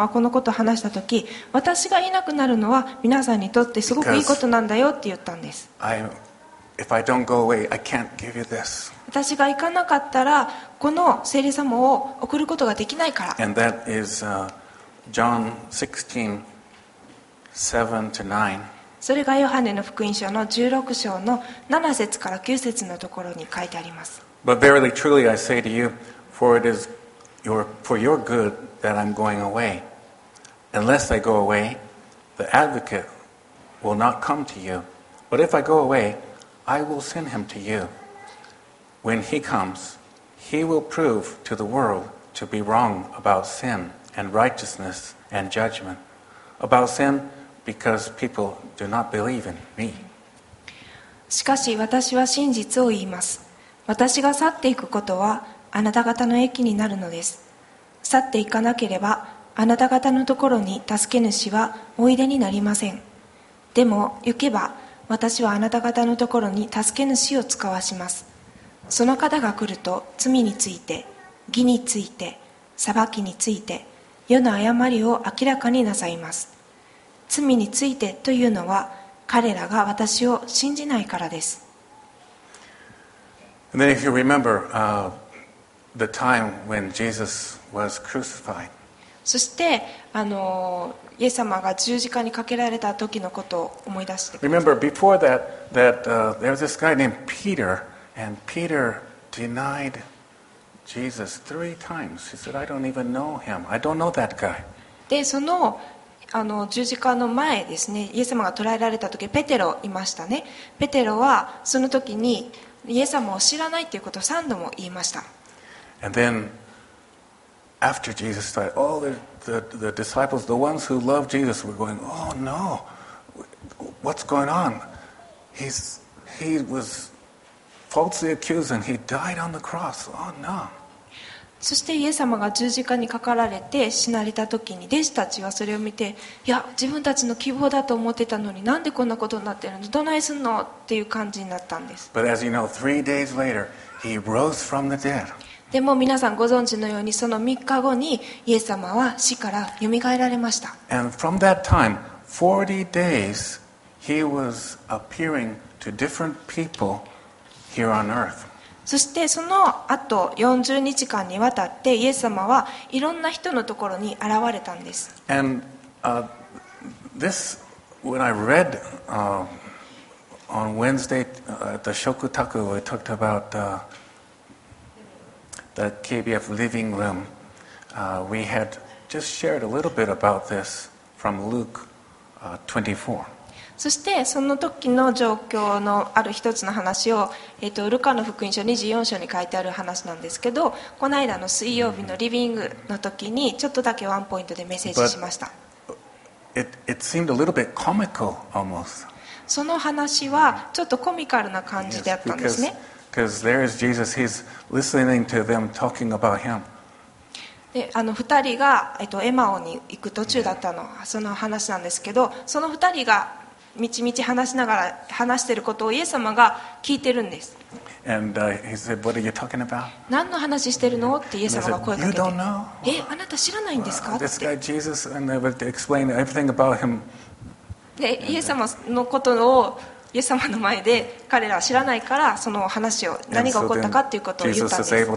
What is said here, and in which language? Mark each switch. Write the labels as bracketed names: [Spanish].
[Japanese] はこのことを話したとき、私がいなくなるのは皆さんにとってすごくいいことなんだよって言ったんです。 [English] If I don't go away, I can't give you this. [Japanese] 私が行かなかったらこの聖霊様を送ることができないから。 [English] And that is, John 16:7-9. [Japanese] それがヨハネの福音書の16章の7節から9節のところに書いてあります。 [English] But verily, truly, I say to you, for it is your, for your good that I'm going away. Unless I go away, the advocate will not come to you. But if I go away,I will send him to you. When he comes, he will prove to the world to be wrong about sin and righteousness and judgment. About sin, because people do not believe in me. [Japanese] しかし私は真実を言います。私が去っていくことはあなた方の益になるのです。去っていかなければあなた方のところに助け主はおいでになりません。でも行けば私はあなた方のところに助け主を使わします。その方が来ると罪について、義について、裁きについて、世の誤りを明らかになさいます。罪についてというのは、彼らが私を信じないからです。 [English] And then if you remember, the time when Jesus was crucified. [Japanese] そしてイエス様が十字架にかけられた時のことを思い出してください。 [English] Remember before that, there was this guy named Peter, and Peter denied Jesus three times. He said, "I don't even know him. I don't know that guy." [Japanese] で、その、十字架の前ですね、イエス様が捕らえられた時、ペテロいましたね。ペテロはその時にイエス様を知らないということを三度も言いました。 [English] And then after Jesus died, all theThe disciples, the ones who loved Jesus, were going, "Oh no, what's going on? He was falsely accused and he died on the cross. Oh no." [Japanese] そしてイエス様が十字架にかかられて死なれた時に、弟子たちはそれを見て、いや、自分たちの希望だと思ってたのに、なんでこんなことになってるの？どないすんの？っていう感じになったんです。 [English] But as you know, 3 days later, he rose from the dead. [Japanese] でも皆さんご存知のように、その3日後にイエス様は死からよみがえられました。 [English] And from that time, 40 days, he was appearing to different people here on earth. [Japanese] そしてその後40日間にわたってイエス様はいろんな人のところに現れたんです。 [English] And this, when I read on Wednesday at the Shokutaku, we talked aboutThe KBF living room. We had just shared a little bit about this from Luke 24. [Japanese] そしてその時の状況のある一つの話を、ルカの福音書24章に書いてある話なんですけど、この間の水曜日のリビングの時にちょっとだけワンポイントでメッセージしました。 [English] It seemed a little bit comical almost. [Japanese] その話はちょっとコミカルな感じであったんですね。 [English] Because there is Jesus, he's listening to them talking about him. [Japanese] で、二人が、エマオに行く途中だったの、その話なんですけど、その二人がみちみち話しながら話していることをイエス様が聞いてるんです。 [English] And he said, "What are you talking about?" [Japanese] 何の話してるの？ってイエス様が声かけて。 [English] You don't know? [Japanese] え、あなた知らないんですか？って。 [English] This guy Jesus, and they would explain everything about him. [Japanese] で、イエス様のことをイエス様の前で彼らは知らないから、その話を、何が起こったかということを言ったんです。